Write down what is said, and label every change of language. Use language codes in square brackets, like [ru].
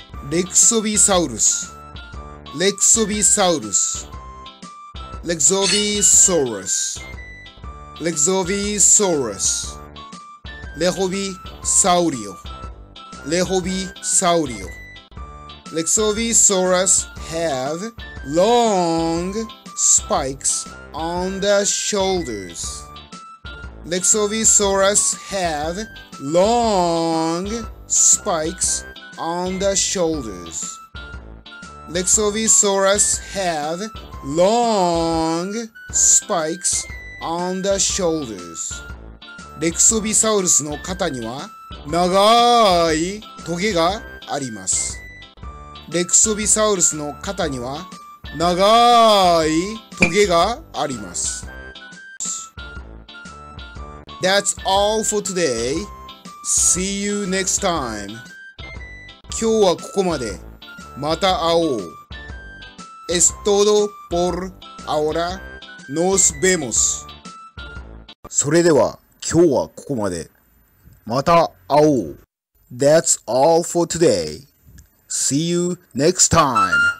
[ja] レクソビサウルス、レクソビサウルス、レクゾビソーラス、レクゾビソーラス、レホビサウリオ。レホビサウリオ。 [en] レクソビサウルス have long spikes on the shoulders. レクソビサウルス have long spikes on the shoulders. レクソビサウルス have long spikes on the shoulders. [ja] レクソビサウルスの肩には長いトゲがあります。レクソビサウルスの肩には長いトゲがあります。 [en] That's all for today. See you next time. [ja] 今日はここまで。また会おう。 [es] Es todo por ahora. Nos vemos. [ja] それでは今日はここまで。また会おう。 [en] That's all for today. See you next time.